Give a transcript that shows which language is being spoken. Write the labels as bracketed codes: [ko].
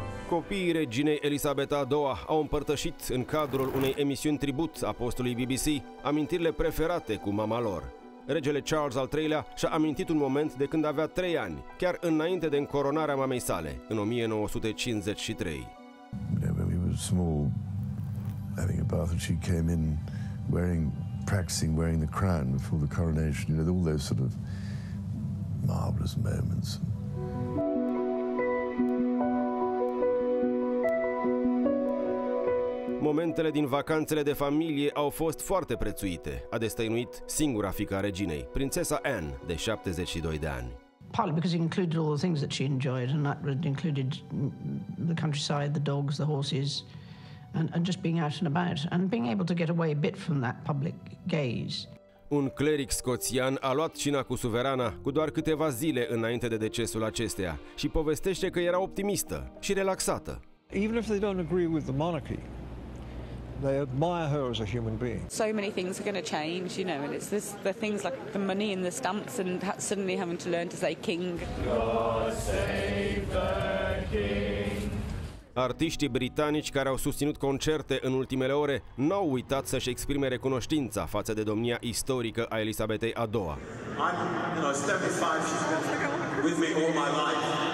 [ro] Copiii reginei Elisabeta a II au împărtășit în cadrul unei emisiuni tribut a postului BBC amintirile preferate cu mama lor. Regele Charles al III-lea și-a amintit un moment de când avea 3 ani, chiar înainte de încoronarea mamei sale, în 1953. [en] When he was small, having a bath and she came in wearing, practicing wearing the crown before the coronation, you know, all those sort of marvelous moments. [ro] Momentele din vacanțele de familie au fost foarte prețuite, a destăinuit singura fiică a reginei, prințesa Anne, de 72 de ani. [en] Partly because it included all the things that she enjoyed, and that included the countryside, the dogs, the horses, and just being out and about, and being able to get away a bit from that public gaze. [ro] Un cleric scoțian a luat cina cu suverana cu doar câteva zile înainte de decesul acesteia și povestește că era optimistă și relaxată. [en] Even if they don't agree with the monarchy, they admire her as a human being. So many things are going to change, you know, and it's this, the things like the money and the stamps and suddenly having to learn to say king. God save the king. [ro] Artiștii britanici care au susținut concerte în ultimele ore n-au uitat să-și exprime recunoștința față de domnia istorică a Elisabetei a II. [en] I'm, you know, 75, she's been with me all my life.